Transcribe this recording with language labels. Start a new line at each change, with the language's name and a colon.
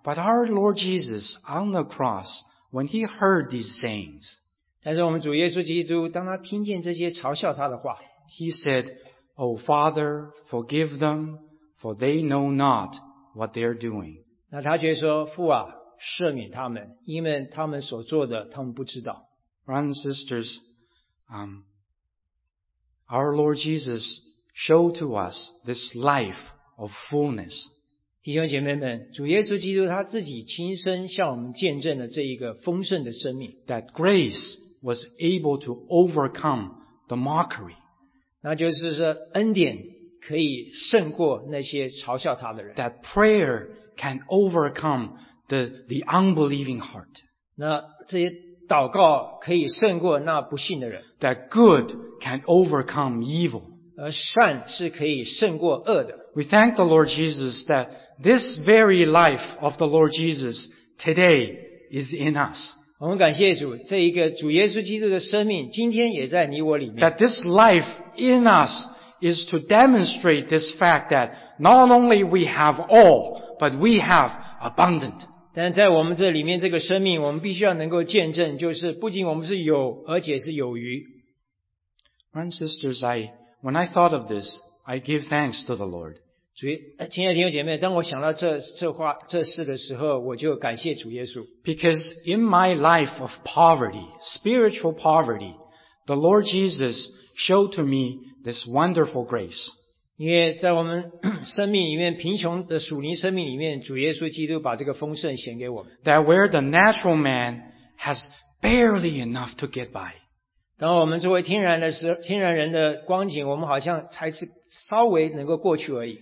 English: But our Lord Jesus on the cross, when he heard these sayings,
Chinese: 但是我们主耶稣基督当他听见这些嘲笑他的话，
English: he said, O Father, forgive them, for they know not what they're doing.
Chinese: 那他却说，父啊，赦免他们，因为他们所做的，他们不知道。
English: Brothers and sisters, our Lord Jesus showed to us this life of fullness.
Chinese: 弟兄姐妹们，主耶稣基督他自己亲身向我们见证了这一个丰盛的生命。
English: That grace was able to overcome the mockery.
Chinese: 那就是说恩典可以胜过那些嘲笑他的人。
English: That prayer can overcome the unbelieving heart.
Chinese: 那这些祷告可以胜过那不信的人。
English: That good can overcome evil.
Chinese: 而善是可以胜过恶的。
English: We thank the Lord Jesus that this very life of the Lord Jesus today is in us.
Chinese: 我们感谢主，这一个主耶稣基督的生命今天也在你我里面。
English: That this life in us is to demonstrate this fact that not only we have all, but we have abundant.
Chinese: 但在我们这里面这个生命，我们必须要能够见证，就是不仅我们是有，而且是有余。
English: Brothers and sisters, when I thought of this,I give thanks to the Lord.
Chinese: 亲爱的弟兄姐妹，当我想到这事的时候，我就感谢主耶稣。
English: Because in my life of poverty, spiritual poverty, The Lord Jesus showed to me this wonderful grace.
Chinese: 因为在我们生命里面，贫穷的属灵生命里面，主耶稣基督把这个丰盛显给我们。
English: That where the natural man has barely enough to get by.
Chinese: 当我们作为天然的时候，天然人的光景，我们好像才是稍微能够过去而已。